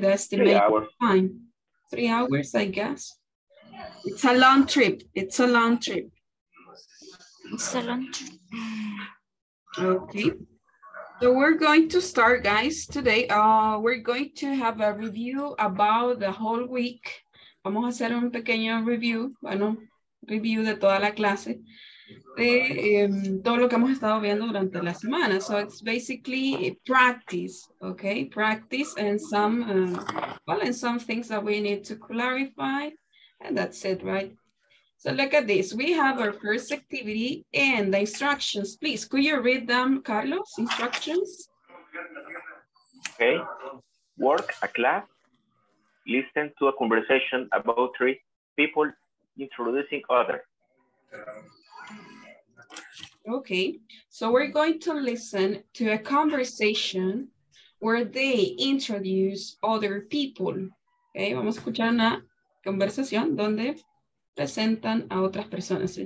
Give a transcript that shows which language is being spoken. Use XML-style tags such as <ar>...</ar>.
<en>The estimated time. 3 hours, I guess. It's a long trip. It's a long trip. It's a long trip. Okay. So we're going to start, guys, today. We're going to have a review about the whole week.</en> <es>Vamos a hacer un pequeño review, bueno, review de toda la clase, de todo lo que hemos estado viendo durante la semana.</es> <en>So it's basically practice, okay? Practice and some, and some things that we need to clarify, and that's it, right? So look at this. We have our first activity and the instructions. Please, could you read them, Carlos, instructions? Okay. Work a class. Listen to a conversation about three people introducing others. Okay, so we're going to listen to a conversation where they introduce other people.</en> <es>Okay, vamos a escuchar una conversación donde presentan a otras personas.</es>